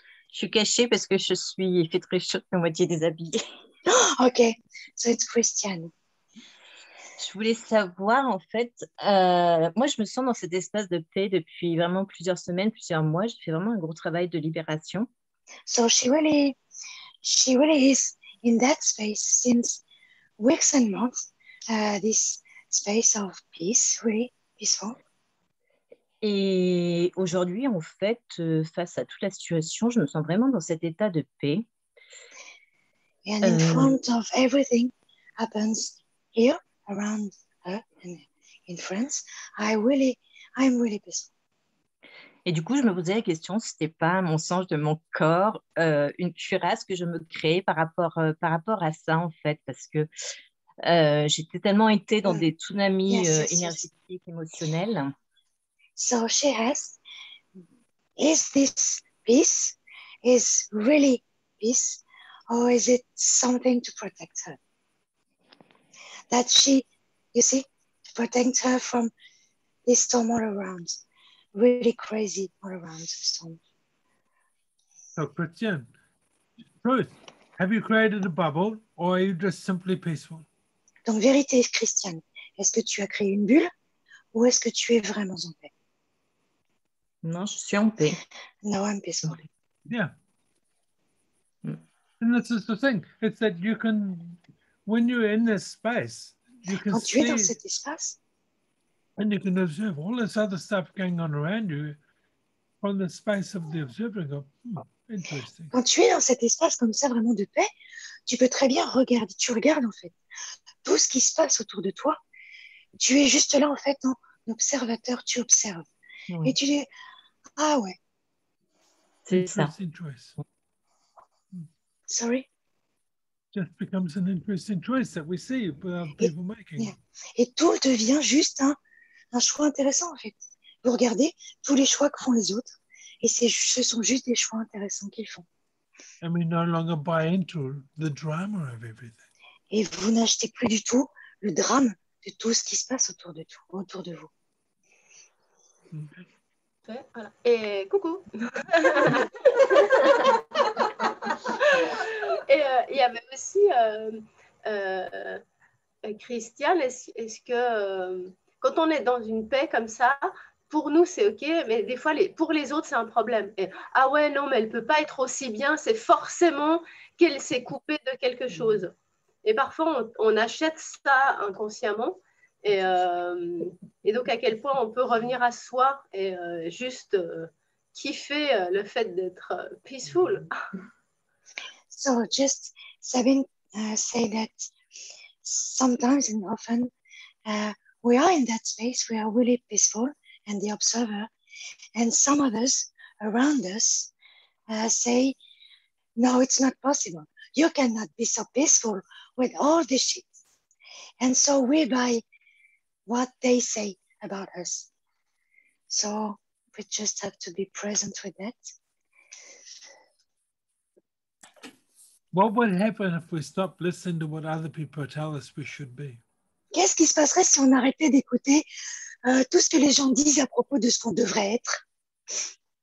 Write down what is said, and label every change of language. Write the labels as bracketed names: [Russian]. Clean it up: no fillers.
[French] Je suis cachée parce que je suis fait très chaude, mais moitié déshabillée. [English] Ok, so it's Christiane. [French] Je voulais savoir, en fait, moi, je me sens dans cet espace de paix depuis vraiment plusieurs semaines, plusieurs mois. J'ai fait vraiment un gros travail de libération. [English] So she really is in that space since weeks and months, this space of peace, really peaceful. [French] Et aujourd'hui, en fait, face à toute la situation, je me sens vraiment dans cet état de paix. [English] And in front of everything happens here, around her, and in France, I'm really peaceful. [French] Et du coup, je me posais la question, ce n'était pas mon sens de mon corps, une cuirasse que je me crée par rapport à ça, en fait, parce que J'étais tellement été dans des tsunamis énergétiques, émotionnels. [English] So she asked, is this peace, is really peace, or is it something to protect her? That she, you see, to protect her from this storm all around, really crazy all around the storm. So Christian, Ruth, have you created a bubble, or are you just simply peaceful? [French] Donc vérité, Christian, est-ce que tu as créé une bulle, ou est-ce que tu es vraiment en paix? Non, je suis en paix. [English] No, I'm peaceful. Yeah. And this is the thing. It's that you can, when you're in this space, you can [French] quand [English] see. [French] Quand tu es dans cet espace. [English] And you can observe all this other stuff going on around you from the space of the observer and go, interesting. [French] Quand tu es dans cet espace comme ça, vraiment de paix, tu peux très bien regarder. Tu regardes, en fait, tout ce qui se passe autour de toi. Tu es juste là, en fait, en observateur. Tu observes. Oui. Et tu dis, ah ouais. C'est ça. [English] Sorry? Just becomes an interesting choice that we see without people et, making. Yeah. [French] Et tout devient juste un choix intéressant, en fait. Vous regardez tous les choix que font les autres et c'est, ce sont juste des choix intéressants qu'ils font. [English] And we no longer buy into the drama of everything. [French] Et vous n'achetez plus du tout le drame de tout ce qui se passe autour de, tout, autour de vous. Voilà. Et coucou. Et il y avait aussi Christiane, est-ce que quand on est dans une paix comme ça, pour nous c'est ok, mais des fois pour les autres c'est un problème. Et, ah ouais, non, mais elle peut pas être aussi bien, c'est forcément qu'elle s'est coupée de quelque chose. Et parfois on achète ça inconsciemment. Et donc, à quel point on peut revenir à soi et juste kiffer le fait d'être peaceful. [English] So, just Sabine say that sometimes and often we are in that space, we are really peaceful and the observer, and some others around us say, no, it's not possible. You cannot be so peaceful with all this shit. And so, we by what they say about us. So we just have to be present with that. What would happen if we stop listening to what other people tell us we should be? [French] Qu'est-ce qui se passerait si on arrêtait d'écouter tout ce que les gens disent à propos de ce qu'on devrait être?